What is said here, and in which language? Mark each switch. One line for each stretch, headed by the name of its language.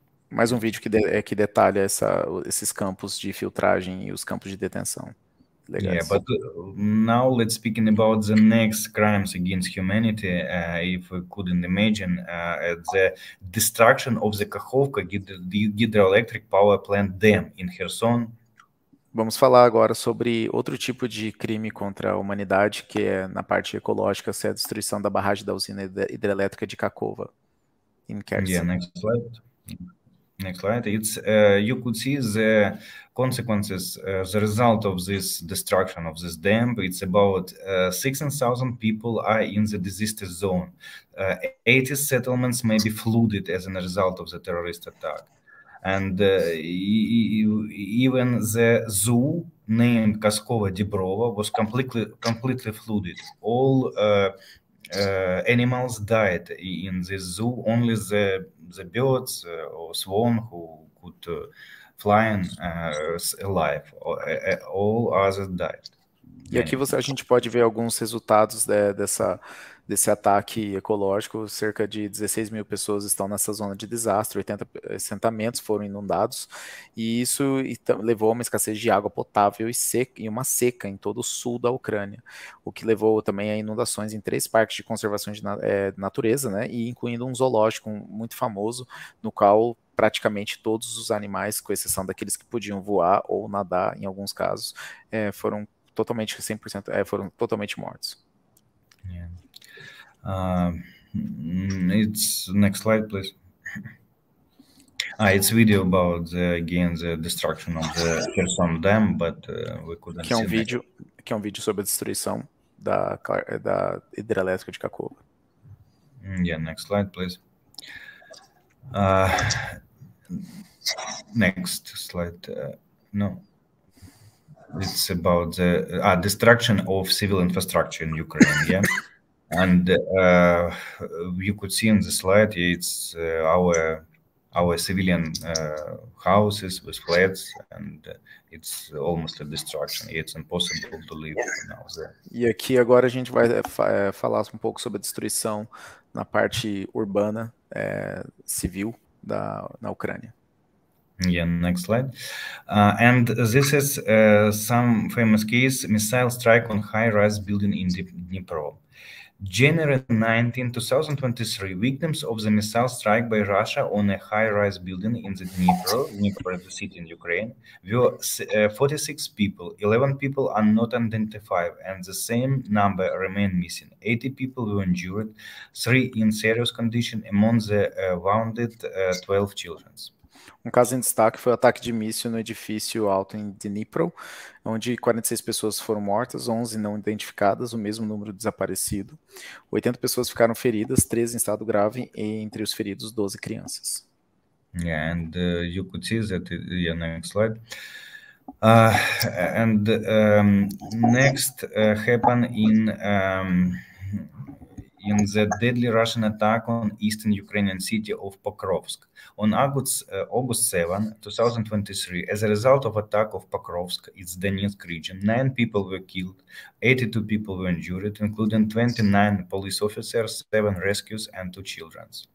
Portuguese: Mais um vídeo que que detalha esses campos de filtragem e os campos de detenção. Legal.
English: Yeah, but now let's speak about the next crimes against humanity. If we couldn't imagine the destruction of the Kakhovka hydroelectric power plant dam in Kherson.
Portuguese: Vamos falar agora sobre outro tipo de crime contra a humanidade, que é na parte ecológica, se é a destruição da barragem da usina hidrelétrica de Kakhovka em Kherson.
English: Yeah, next slide. Next slide. It's you could see the consequences, the result of this destruction of this dam. It's about 16,000 people are in the disaster zone. 80 settlements may be flooded as a result of the terrorist attack. And even the zoo named Kaskova Dibrova was completely flooded. All animals died in this zoo. Only the birds or swan who could fly in, alive. All others died.
Portuguese: E aqui a gente pode ver alguns resultados desse ataque ecológico. Cerca de 16 mil pessoas estão nessa zona de desastre, 80 assentamentos foram inundados, e isso levou a uma escassez de água potável e uma seca em todo o sul da Ucrânia, o que levou também a inundações em três parques de conservação de natureza, né, e incluindo um zoológico muito famoso, no qual praticamente todos os animais, com exceção daqueles que podiam voar ou nadar em alguns casos, foram totalmente 100%, foram totalmente mortos.
English: It's next slide, please. It's video about the destruction of the Kherson dam, but we couldn't see.
Portuguese: Que é um vídeo sobre a destruição da hidrelétrica de Kakhovka.
English: Yeah, next slide, please. Next slide. No. It's about the destruction of civil infrastructure in Ukraine, yeah. And you could see on the slide, it's our civilian houses with flats, and it's almost a destruction. It's impossible to live now there.
Portuguese: E aqui agora a gente vai falar um pouco sobre a destruição na parte urbana, civil na Ucrânia.
English: Yeah, next slide. And this is some famous case, missile strike on high-rise building in Dnipro. January 19, 2023, victims of the missile strike by Russia on a high-rise building in the Dnipro is the city in Ukraine, were 46 people, 11 people are not identified, and the same number remain missing. 80 people were injured, 3 in serious condition, among the wounded 12 children.
Portuguese: Um caso em destaque foi o ataque de míssil no edifício alto em Dnipro, onde 46 pessoas foram mortas, 11 não identificadas, o mesmo número desaparecido. 80 pessoas ficaram feridas, 13 em estado grave, e entre os feridos, 12 crianças.
English: Yeah, and you could see that in the next slide. And next happened in the deadly Russian attack on eastern Ukrainian city of Pokrovsk. On August 7, 2023, as a result of attack of Pokrovsk, its Donetsk region, 9 people were killed, 82 people were injured, including 29 police officers, 7 rescues and 2 children.